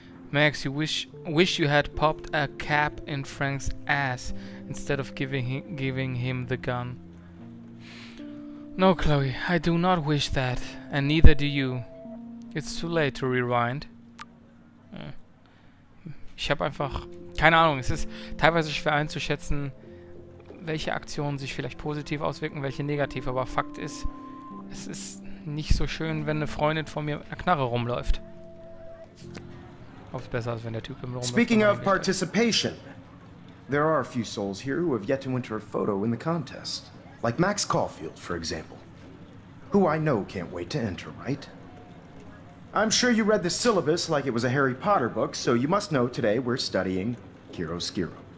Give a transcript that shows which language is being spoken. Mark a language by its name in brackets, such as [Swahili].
[English] Max, you wish you had popped a cap in Frank's ass instead of giving him the gun. No, Chloe, I do not wish that, and neither do you. It's too late to rewind. [German] Ich habe einfach keine Ahnung. Es ist teilweise schwer einzuschätzen, welche Aktionen sich vielleicht positiv auswirken, welche negativ. Aber Fakt ist, es ist nicht so schön, wenn eine Freundin vor mir mit einer Knarre rumläuft. Oft besser, als wenn der Typ im rumläuft. [English] Speaking of participation, there are a few souls here who have yet to enter a photo in the contest. Like Max Caulfield, for example. Who I know can't wait to enter, right? I'm sure you read the syllabus like it was a Harry Potter book, so you must know today we're studying chiaroscuro.